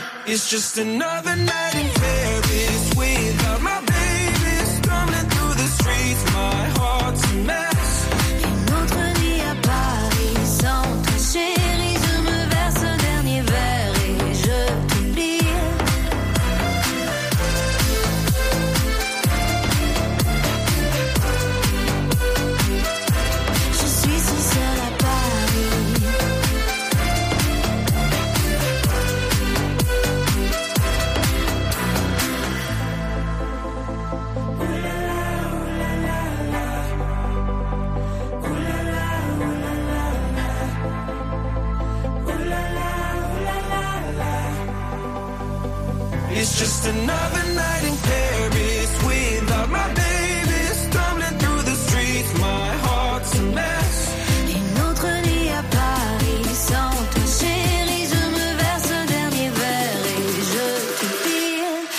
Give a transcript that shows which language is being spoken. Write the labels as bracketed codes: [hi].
[en] It's just another night in Paris without my baby, stumbling through the streets, my heart's a mess. [fr] Une autre nuit à Paris sans toi, chérie, je me verse un dernier verre et je t'oublie. Je suis si seule à Paris. [en] It's just another night in Paris without my baby, stumbling through the streets, my heart's a mess. [fr] Une autre nuit à Paris sans toi, chérie, je me verse un dernier verre et je t'oublie.